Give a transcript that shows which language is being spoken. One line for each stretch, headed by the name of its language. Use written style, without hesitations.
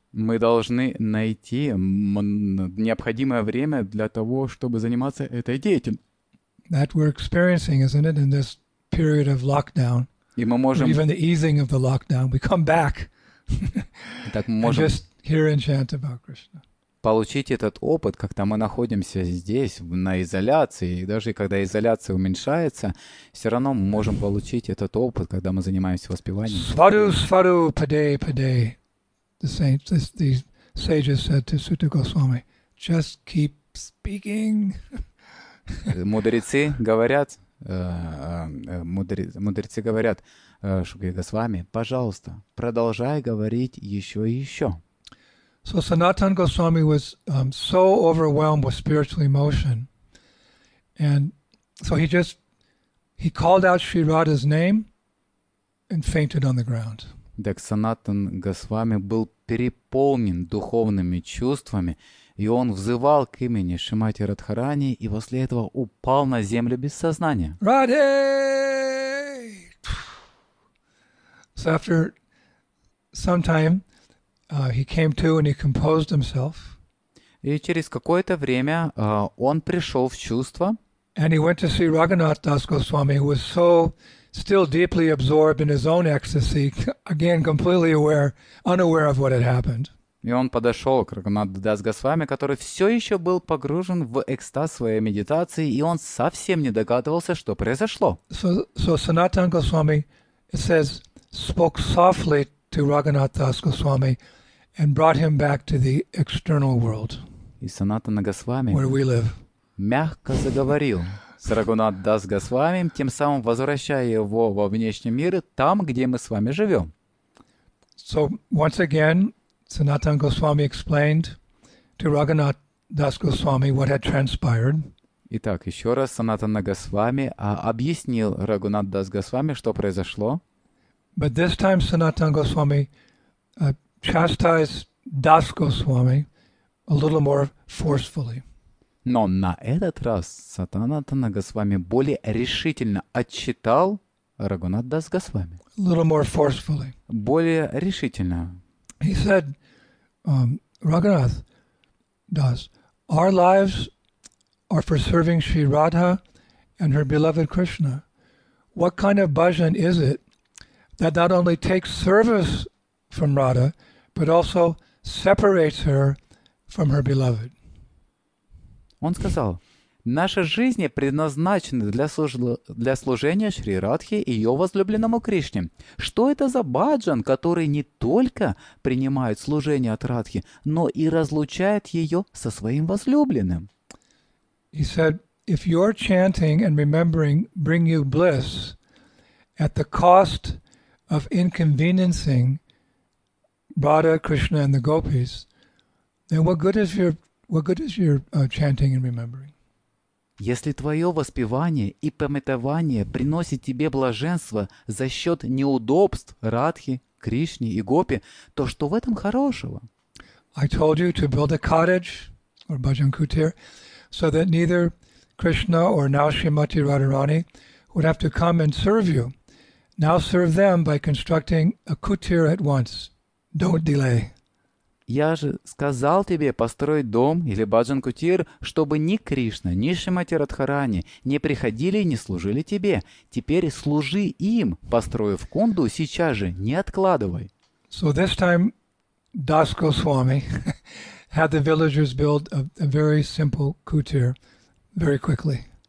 Russian: Мы должны найти необходимое время для того, чтобы заниматься этой деятельностью.
English: That we're experiencing, isn't it, in this period of lockdown?
Russian: И мы можем...
English: Even the easing of the lockdown, we come back
Russian: Итак, мы можем...
English: and just hear and chant about Krishna.
Russian: Получить этот опыт, когда мы находимся здесь, на изоляции, и даже когда изоляция уменьшается, все равно мы можем получить этот опыт, когда мы занимаемся воспеванием. Свару, свару, падей, падей.
English: The saints, these sages said to Sutta Goswami, just keep speaking.
Russian: Мудрецы говорят, мудрецы говорят, Шри Госвами, пожалуйста, продолжай говорить еще и еще.
English: So Sanatan Goswami was so overwhelmed with spiritual emotion, and so he called out Sri Radha's name and fainted on the ground.
Russian: Так Санатан Госвами был переполнен духовными чувствами, и он взывал к имени Шримати Радхарани, и после этого упал на землю без сознания.
English: Radhe! So after some time, he came to and he composed himself.
Russian: И через какое-то время он пришел в чувство.
English: And he went to see Raghunath Das Goswami, who was so still deeply absorbed in his own ecstasy, again completely aware, unaware of what had happened.
Russian: И он подошел к Раганату Дас Госвами, который все еще был погружен в экстаз своей медитации, и он совсем не догадывался, что произошло.
English: So Sanatana Goswami, it says, spoke softly to Raghunath Das Goswami and brought him back to the external world,
Russian: и Санатана Госвами,
English: where we live.
Russian: Мягко заговорил с Раghunath Das Goswami, тем самым возвращая его во внешний мир, там, где мы с вами живем.
English: So, once again, Sanatana Goswami explained to Raghunath Das Goswami what had transpired.
Russian: Итак, еще раз Санатана Госвами объяснил Рагунат Дас Госвами, что произошло.
English: But this time Sanatana Goswami chastised Das Goswami a little more forcefully.
Russian: Но на этот раз Санатана Госвами более решительно отчитал Рагунат Дас Госвами.
English: A little more forcefully.
Russian: Более решительно.
English: He said, Raghunath Das, our lives are for serving Sri Radha and her beloved Krishna. What kind of bhajan is it that not only takes service from Radha, but also separates her from her beloved?
Russian: Он сказал, наша жизнь предназначена для служения Шри Радхе и ее возлюбленному Кришне. Что это за баджан, который не только принимает служение от Радхи, но и разлучает ее со своим возлюбленным?
English: He said, if your chanting and remembering bring you bliss at the cost of inconveniencing Radha, Krishna and the gopis, then what good is your chanting and remembering?
Russian: Если твое воспевание и памятование приносит тебе блаженство за счет неудобств Радхи, Кришни и Гопи, то что в этом хорошего?
English: I told you to build a cottage or bhajan kutir so that neither Krishna or now Srimati Radharani would have to come and serve you. Now serve them by constructing a kutir at once. Don't delay.
Russian: Я же сказал тебе построить дом или баджан-кутир, чтобы ни Кришна, ни Шримати Радхарани не приходили и не служили тебе. Теперь служи им, построив кунду, сейчас же, не откладывай.
English: So this time Das Goswami had the villagers build a very simple kutir very quickly.